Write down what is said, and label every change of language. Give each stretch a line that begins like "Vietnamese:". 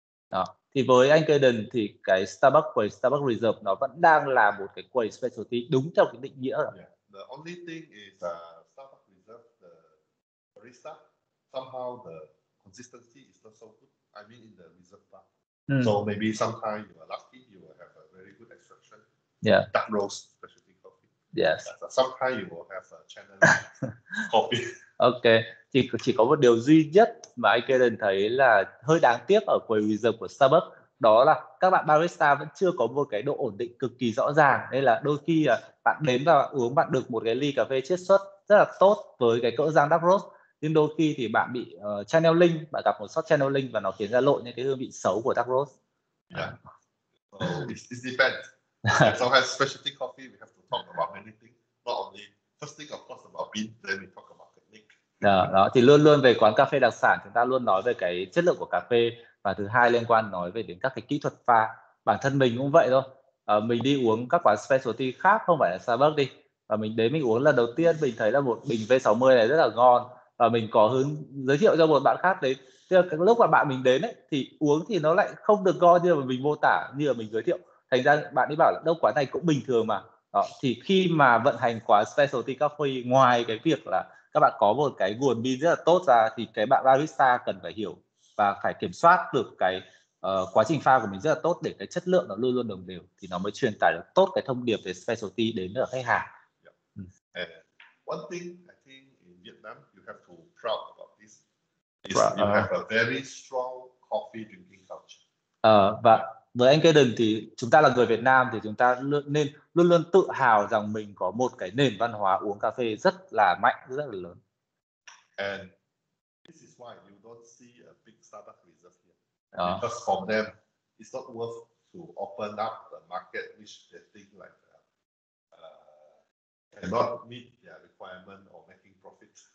Vietnamese: Đó, thì với anh Kaden thì cái Starbucks quầy Starbucks Reserve nó vẫn đang là một cái quầy specialty đúng theo cái định nghĩa.
English: Yeah. The only thing is Starbucks Reserve, the barista, somehow the consistency is not so good. I mean in the reserve bar. So maybe sometime you are lucky, you will have a very good extraction. Yeah. Dark roast specialty coffee. Yes. Sometime you will have a channeling coffee. Okay.
Vietnamese: Chỉ có một điều duy nhất mà anh Kaden thấy là hơi đáng tiếc ở quầy reserve của Starbucks, đó là các bạn barista vẫn chưa có một cái độ ổn định cực kỳ rõ ràng, nên là đôi khi bạn đến và uống bạn được một cái ly cà phê chiết xuất rất là tốt với cái cỡ rang dark roast, nhưng đôi khi thì bạn bị channeling, bạn gặp một sót channeling và nó khiến ra lộ những cái hương vị xấu của dark roast.
English: It depends. So we have specialty coffee, we have to talk about many things, not only first thing of course about bean, then we talk about technique.
Vietnamese: Đó, thì luôn luôn về quán cà phê đặc sản chúng ta luôn nói về cái chất lượng của cà phê, và thứ hai liên quan nói về đến các cái kỹ thuật pha. Bản thân mình cũng vậy thôi. Mình đi uống các quán specialty khác không phải là Starbucks đi, và mình đến mình uống lần đầu tiên mình thấy là một bình V60 này rất là ngon, và mình có hướng giới thiệu cho một bạn khác đấy. Thế là cái lúc mà bạn mình đến ấy thì uống thì nó lại không được ngon như mà mình mô tả, như là mình giới thiệu. Thành ra bạn ấy bảo là đâu quán này cũng bình thường mà. Đó, thì khi mà vận hành quán specialty coffee, ngoài cái việc là các bạn có một cái nguồn bean rất là tốt ra, thì cái bạn barista cần phải hiểu và phải kiểm soát được cái quá trình pha của mình rất là tốt, để cái chất lượng nó luôn luôn đồng đều, thì nó mới truyền tải được tốt cái thông điệp về specialty đến ở khách hàng.
English: Yeah. One thing I think in Vietnam you have to proud about this is you have a very strong coffee drinking culture.
Vietnamese: Và với anh Kaden thì chúng ta là người Việt Nam thì chúng ta nên luôn luôn tự hào rằng mình có một cái nền văn hóa uống cà phê rất là mạnh, rất là lớn.
English: And this is why you don't see a big Starbucks reserve here. Because for them, it's not worth to open up the market which they think like cannot meet their requirement or making profit.